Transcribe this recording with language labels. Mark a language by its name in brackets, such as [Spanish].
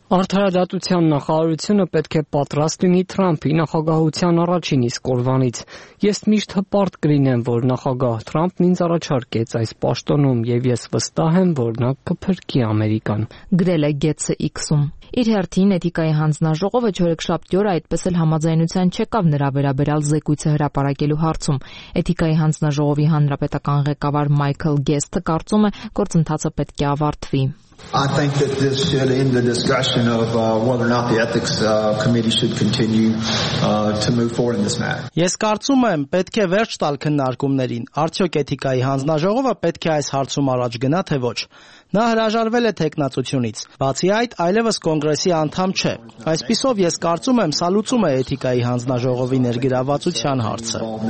[Armenian] Արդարադատության նախարարությունը պետք է պատրաստ լինի Թրամփի նախագահության առաջին իսկ օրվանից։ Ես միշտ հպարտ կլինեմ, որ նախագահ Թրամփն ինձ առաջարկեց այս պաշտոնում, և ես վստահ եմ, որ նա կփրկի Ամերիկան, գրել է Գեթսը X-ում։ Իր հերթին Էթիկայի հանձնաժողովը չորեքշաբթի օրը այդպես էլ համաձայնության չեկավ նրա վերաբերյալ զեկույցը հրապարակելու հարցում։ Էթիկայի հանձնաժողովի հանրապետական ղեկավար Մայքլ Գեսթը կարծում է, գործընթացը պետք է ավարտվի։ [English] I think that this should end the discussion of whether or not the ethics committee should continue to move forward in this matter. [Armenian] Ես կարծում եմ, պետք է վերջ տալ քննարկումներին, արդյոք էթիկայի հանձնաժողովը պետք է այս հարցում առաջ գնա թե ոչ։ Նա հրաժարվել է թեկնածությունից, բացի այդ, այլևս կոնգրեսի անդամ չէ։ Այսպիսով ես կարծում եմ, սա լուծում է էթիկայի հանձնաժողովի ներգրավվածության հարցը։